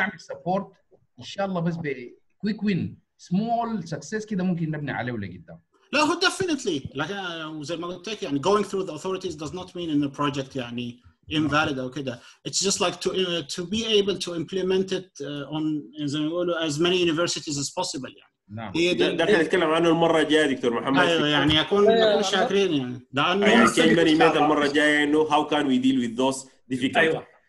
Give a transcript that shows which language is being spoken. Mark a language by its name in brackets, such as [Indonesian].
[Arabic] نعمل سبورت ان شاء الله بس بكويك وين سمول سكسس كده ممكن نبني عليه ولا قدام لا هو ديفينتلي لكن زي ما قلت لك يعني [English] going through the authorities does not mean in the project يعني invalid او كده it's just like to be able to implement it on [Arabic] زي ما يقولوا [English] as many universities as possible يعني [Arabic] نعم هي ده احنا نتكلم عنه المره الجايه دكتور محمد ايوه يعني اكون شاكرين يعني ده انا كان من المره الجايه انه [English] how can we deal with those difficulties [Arabic] ايوه